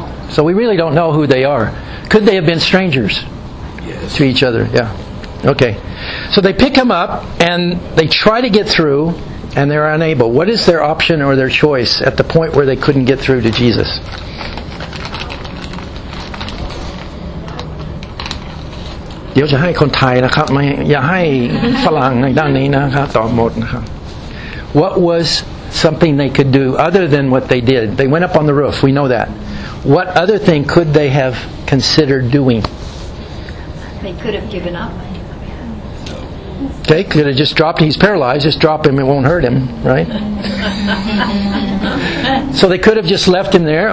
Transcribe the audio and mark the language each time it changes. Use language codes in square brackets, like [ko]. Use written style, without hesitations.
[en] So we really don't know who they are. Could they have been strangers? Yes. To each other? Yeah. Okay. So they pick him up, and they try to get through, and they're unable. What is their option or their choice at the point where they couldn't get through to Jesus? [th] เดี๋ยวจะให้คนไทยนะครับไม่อย่าให้ฝรั่งในด้านนี้นะครับตอบหมดนะครับ [en] What was something they could do other than what they did? They went up on the roof. We know that. What other thing could they have considered doing? They could have given up. They could have just dropped. He's paralyzed. Just drop him. It won't hurt him, right? So they could have just left him there.